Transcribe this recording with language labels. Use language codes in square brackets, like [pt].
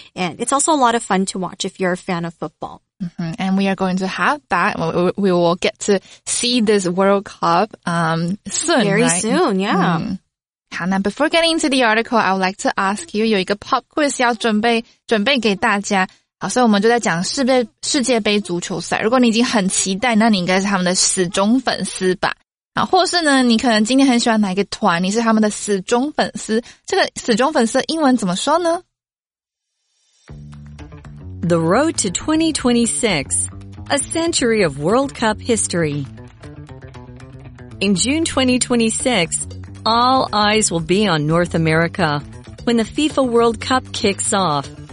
[en] And it's also a lot of fun to watch if you're a fan of football. Mm-hmm. And we are going to have that. We will get to see this World Cup, soon. Very right? soon, yeah. Mm-hmm. 好，那 before getting into the article, I would like to ask you, [zh] 有一个 [en] pop quiz [zh] 要准备给大家。好，所以我们就在讲世界杯足球赛。如果你已经很期待，那你应该是他们的死忠粉丝吧。好，或是呢，你可能今天很喜欢哪一个团，你是他们的死忠粉丝。这个死忠粉丝英文怎么说呢？ [en] The road to 2026, a century of World Cup history. In June 2026, all eyes will be on North America when the FIFA World Cup kicks off.